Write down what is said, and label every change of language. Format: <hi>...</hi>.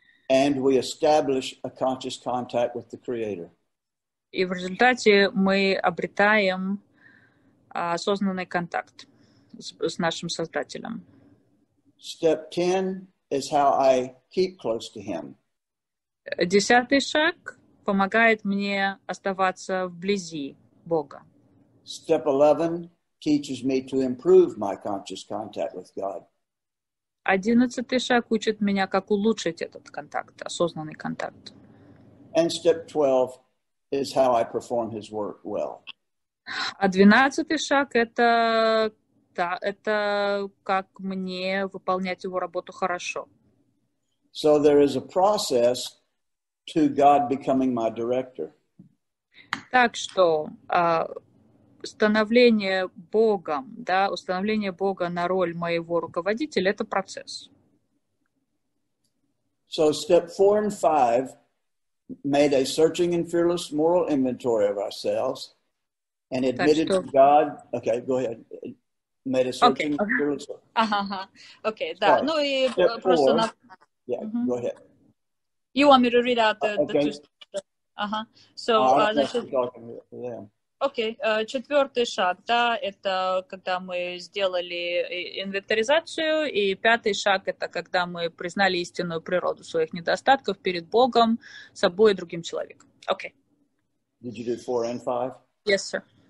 <en>And we establish a conscious contact with the Creator.</en> <ru>И в результате мы обретаем осознанный контакт с нашим Создателем.</ru> <en>Step 10 is how I keep close to Him.</en> <ru>Десятый шаг помогает мне оставаться вблизи Бога.</ru> <en>Step 11 teaches me to improve my conscious contact with God.</en> <ru>Одиннадцатый шаг учит меня, как улучшить этот контакт, осознанный контакт.</ru> <en>And step 12 is how I perform his work well.</en> <ru>А двенадцатый шаг это, да, это как мне выполнять его работу хорошо.</ru> <en>So there is a process to God becoming my director.</en> <ru>Так что установление Богом, да, установление Бога на роль моего руководителя – это процесс.</ru> <en>So step 4 and 5 made a searching and fearless moral inventory of ourselves and admitted to God. Okay, go ahead. Made a searching and fearless. Go ahead. You want me to read out the two?</en> <ru>Четвертый шаг, да, это когда мы сделали инвентаризацию, и пятый шаг, это когда мы признали истинную природу своих недостатков перед Богом, собой и другим человеком.</ru> <en>Okay. Did you do 4 and 5? Yes, sir.</en>